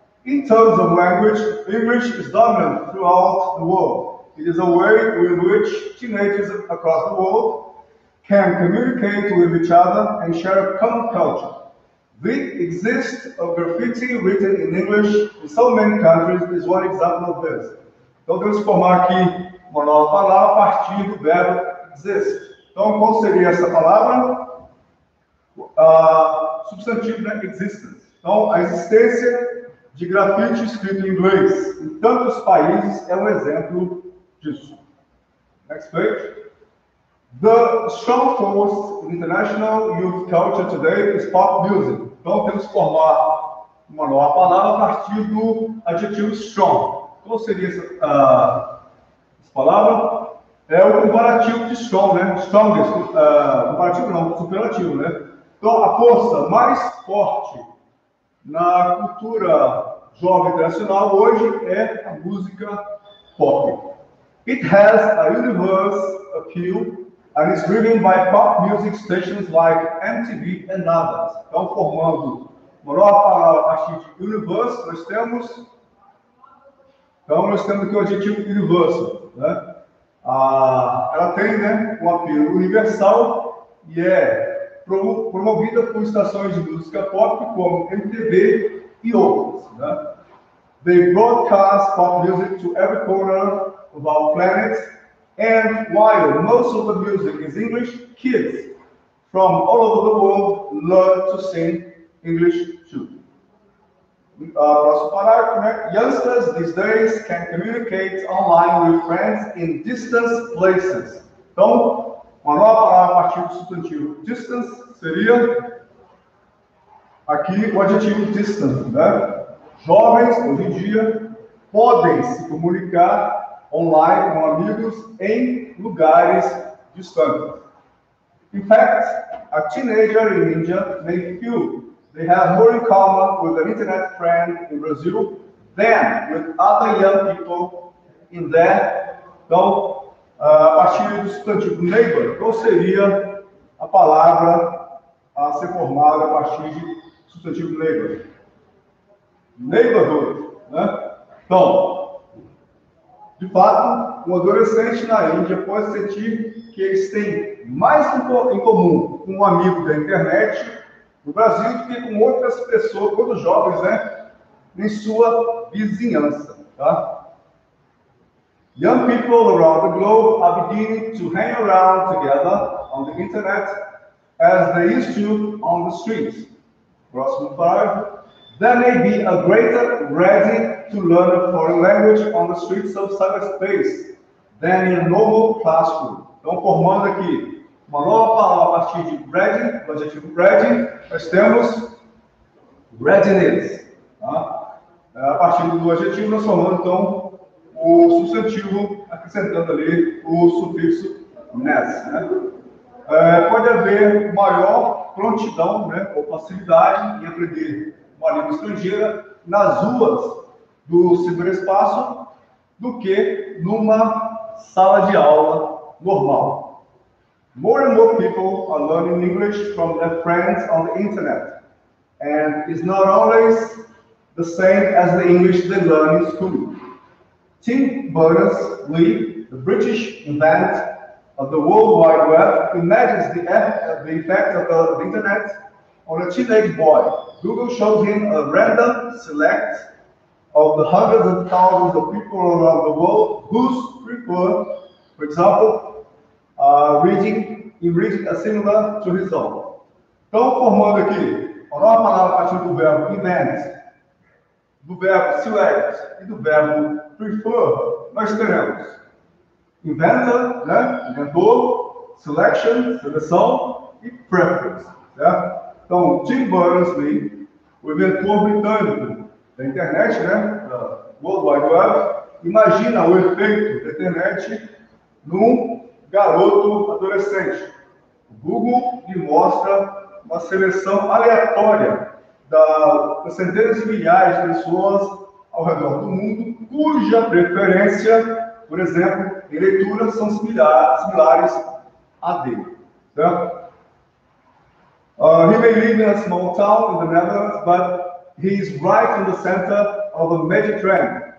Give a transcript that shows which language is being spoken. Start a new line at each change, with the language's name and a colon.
English: In terms of language, English is dominant throughout the world. It is a way in which teenagers across the world can communicate with each other and share a common culture. The existence of graffiti written in English in so many countries is one example of this.
Portuguese: Então, vamos formar aqui uma nova palavra a partir do verbo exist. Então, qual seria essa palavra? Substantivo, né? Existence. Então, a existência de grafite escrito em inglês em tantos países é um exemplo disso.
English: Next page. The strong force in international youth culture today is pop music.
Portuguese: Então, temos que formar uma nova palavra a partir do adjetivo strong. Qual seria essa palavra? É o comparativo de strong, né? Strongest, comparativo não, superlativo, né? Então, a força mais forte na cultura jovem internacional hoje é a música pop.
English: It has a universe appeal and is driven by pop music stations like MTV and others.
Portuguese: Então, formando uma nova palavra a partir de universe, nós temos... Então, nós temos aqui o adjetivo universal, né? Ela tem, né, um apelo universal e é promovida por estações de música pop como MTV e outras, né?
English: They broadcast pop music to every corner of our planet. And while most of the music is English, kids from all over the world learn to sing English too.
Portuguese: Próximo parágrafo, né?
English: Youngsters these days can communicate online with friends in distant places.
Portuguese: Então, uma nova palavra a partir do substantivo distance seria aqui o adjetivo distant, né? Jovens, hoje em dia, podem se comunicar online com amigos em lugares distantes.
English: In fact, a teenager in India may feel they have more in common with an internet friend in Brazil than with other young people in there.
Portuguese: Então, a partir do substantivo neighbor, qual seria a palavra a ser formada a partir do substantivo neighbor? Neighborhood, né? Então, de fato, um adolescente na Índia pode sentir que eles têm mais em comum com um amigo da internet no Brasil do que com outras pessoas, quando jovens, né, em sua vizinhança, tá?
English: Young people around the globe are beginning to hang around together on the internet as they used to on the streets.
Portuguese: Próximo parágrafo.
English: There may be a greater ready to learn a foreign language on the streets of cyberspace than in a normal classroom.
Portuguese: Então, formando aqui uma nova palavra a partir de ready, do adjetivo ready, nós temos readiness. Tá? a partir do adjetivo, transformando então o substantivo, acrescentando ali o sufixo -ness, né? Pode haver maior prontidão, né, ou facilidade em aprender uma língua estrangeira nas ruas do ciberespaço do que numa sala de aula normal.
English: More and more people are learning English from their friends on the internet, and it's not always the same as the English they learn in school. Tim Berners-Lee, the British inventor of the World Wide Web, imagines the effect of the internet on a teenage boy. Google showed him a random select of the hundreds of thousands of people around the world who prefer, for example, reading a similar to his own.
Portuguese: Então, formando aqui a nova palavra a partir do verbo invent, do verbo select e do verbo prefer, nós teremos inventor, né? Inventor, selection, seleção e preference. Né? Então, Tim Berners-Lee, o inventor britânico da internet, né? World Wide Web, imagina o efeito da internet num garoto adolescente. O Google lhe mostra uma seleção aleatória das centenas de milhares de pessoas ao redor do mundo, cuja preferência, por exemplo, em leitura, são similares a dele.
English: Então, he may live in a small town in the Netherlands, but he is right in the center of a major trend.